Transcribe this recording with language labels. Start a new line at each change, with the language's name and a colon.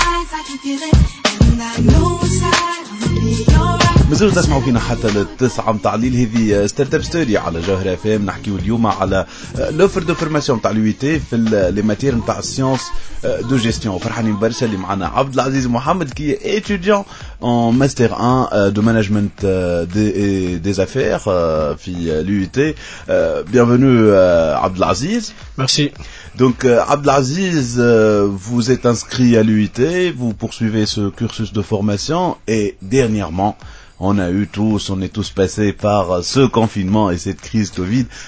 English: I can feel it, and I know inside I'll be alright.
Arabic: مازالوا تسمعوا فينا حتى للتسعة متاع الليل. هذه
English: start up story
Arabic: على جوهر اف ام. نحكيوا اليوم على
French: لوفر دو فورماسيون
Arabic: متاع اليويتي في
French: لي ماتير
Arabic: متاع
French: السيونس دو جيستيون.
Arabic: فرحانين برشا اللي معنا عبد العزيز محمد كي
French: ايتوديون اون ماستر 1 دو مانجمنت دي افير
Arabic: في اليويتي.
French: بيانفينو عبد العزيز. Merci. Donc Abdelaziz, vous êtes inscrit à l'UIT, vous poursuivez ce cursus de formation et dernièrement, on est tous passés par ce confinement et cette crise Covid.